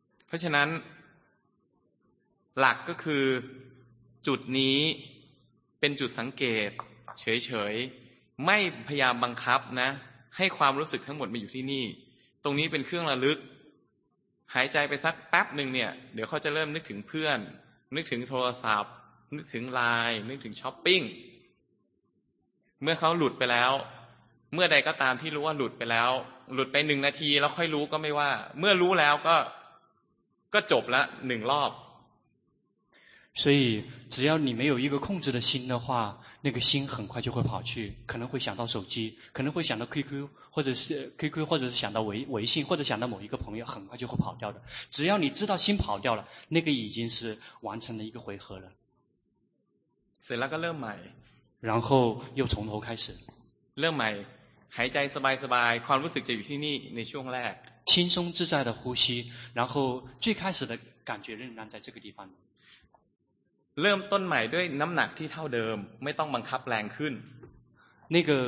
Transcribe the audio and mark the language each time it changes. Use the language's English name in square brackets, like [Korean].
[Thai] เพราะฉะนั้นหลักก็คือจุดนี้เป็นจุดสังเกตเฉยๆไม่พยายามบังคับนะให้ความรู้สึกทั้งหมดมาอยู่ที่นี่ตรงนี้เป็นเครื่องระลึกหายใจไปสักแป๊บนึงเนี่ยเดี๋ยวเขาจะเริ่มนึกถึงเพื่อนนึกถึงโทรศัพท์นึกถึงไลน์นึกถึงช้อปปิ้ง เมื่อเขาหลุดไปแล้วเมื่อใดก็ตามที่รู้ว่าหลุดไปแล้วหลุดไปหนึ่งนาทีแล้วค่อยรู้ก็ไม่ว่าเมื่อรู้แล้วก็จบละหนึ่งรอบ [Chinese] 所以只要你没有一个控制的心的话那个心很快就会跑去可能会想到手机可能会想到 QQ 或者是 QQ 或者是想到 微信或者想到某一个朋友很快就会跑掉的只要你知道心跑掉了那个已经是完成了一个回合了所以那个乐买然后又从头开始乐买还在 [Thai] สบายสบายความรู้สึกจะอยู่ที่นี่ในช่วงแรก [Chinese] 轻松自在的呼吸然后最开始的感觉仍然在这个地方 [Thai] เริ่มต้นใหม่ด้วยน้ำหนักที่เท่าเดิมไม่ต้องบังคับแรงขึ้น